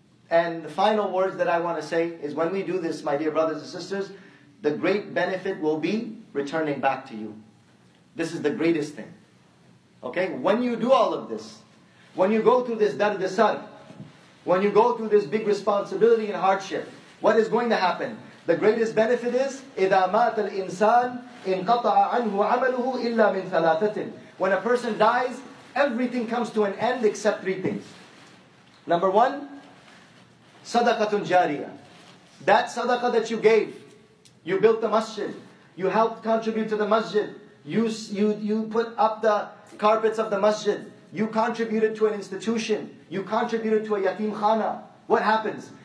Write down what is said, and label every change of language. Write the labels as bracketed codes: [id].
[en] And the final words that I want to say is when we do this, my dear brothers and sisters, the great benefit will be returning back to you. This is the greatest thing. Okay? When you do all of this, when you go through this dar-de-sar, when you go through this big responsibility and hardship, what is going to happen? The greatest benefit is, [ar] إِذَا مَاتَ الْإِنسَانِ إِنْقَطَعَ عَنْهُ عَمَلُهُ إِلَّا مِنْ ثَلَاثَةٍ. [en] When a person dies, everything comes to an end except 3 things. Number one, sadaqatun jariya. That sadaqah that you gave, you built the masjid, you helped contribute to the masjid, you put up the carpets of the masjid, you contributed to an institution, you contributed to a yatim khana. What happens?